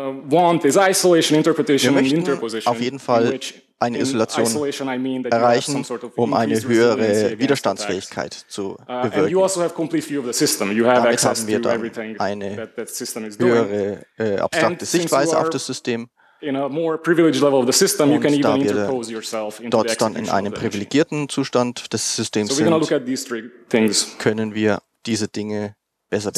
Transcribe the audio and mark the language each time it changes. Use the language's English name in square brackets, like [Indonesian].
[German] Wir möchten auf jeden Fall eine Isolation erreichen, um eine höhere Widerstandsfähigkeit zu bewirken. Damit haben wir dann eine höhere abstrakte Sichtweise auf das System. [English] In a more privileged level of the system, you can even interpose yourself into [German] dort dann in einem privilegierten Zustand des Systems sind, können wir diese Dinge besser betrachten.